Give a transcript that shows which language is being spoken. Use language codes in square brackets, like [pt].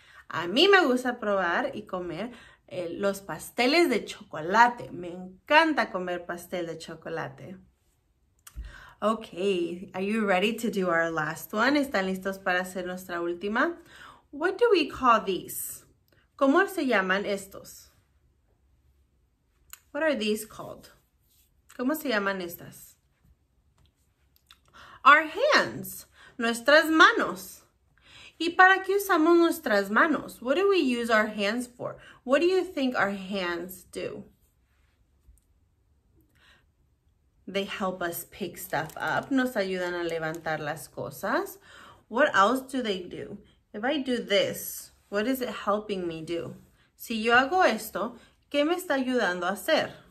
[es] A mí me gusta probar y comer los pasteles de chocolate. Me encanta comer pastel de chocolate. [en] Okay, are you ready to do our last one? [es] ¿Están listos para hacer nuestra última? [en] What do we call these? [es] ¿Cómo se llaman estos? [en] What are these called? [es] ¿Cómo se llaman estas? [en] Our hands, [es] nuestras manos. ¿Y para qué usamos nuestras manos? [en] What do we use our hands for? What do you think our hands do? They help us pick stuff up. [es] Nos ayudan a levantar las cosas. [en] What else do they do? If I do this, what is it helping me do? [es] Si yo hago esto, ¿qué me está ayudando a hacer?